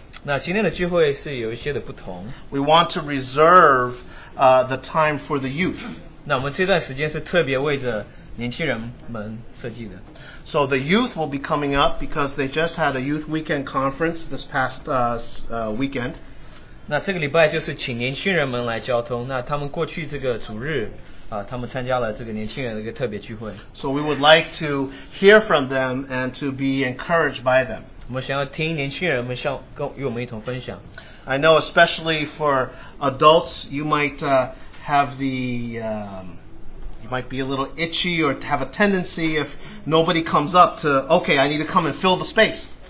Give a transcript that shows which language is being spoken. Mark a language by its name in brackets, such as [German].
[English] We want to reserve the time for the youth. So the youth will be coming up because they just had a youth weekend conference this past weekend. [Chinese] 那这个礼拜就是请年轻人们来交通,那他们过去这个主日,他们参加了这个年轻人的一个特别聚会。 [English] So we would like to hear from them and to be encouraged by them. I know especially for adults, you might have the, you might be a little itchy or have a tendency if nobody comes up to, okay, I need to come and fill the space.